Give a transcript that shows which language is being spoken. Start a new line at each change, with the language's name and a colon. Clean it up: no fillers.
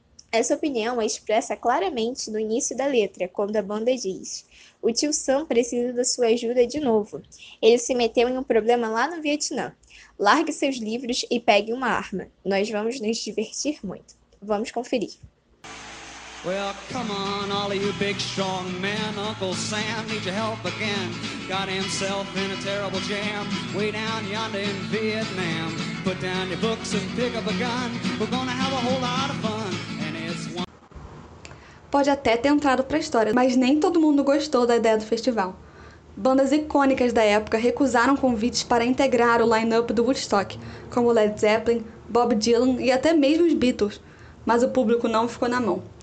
Portuguese: Essa opinião é expressa claramente no início da letra, quando a banda diz: "O tio Sam precisa da sua ajuda de novo. Ele se meteu em um problema lá no Vietnã. Largue seus livros e pegue uma arma. Nós vamos nos divertir muito." Vamos conferir.
English: Well, come on, all of you big strong men. Uncle Sam needs your help again. Got himself in a terrible jam, way down yonder in Vietnam. Put down your books and pick up a gun. We're gonna have a whole lot of fun.
Portuguese: Pode até ter entrado para a história, mas nem todo mundo gostou da ideia do festival. Bandas icônicas da época recusaram convites para integrar o line-up do Woodstock, como Led Zeppelin, Bob Dylan e até mesmo os Beatles, mas o público não ficou na mão.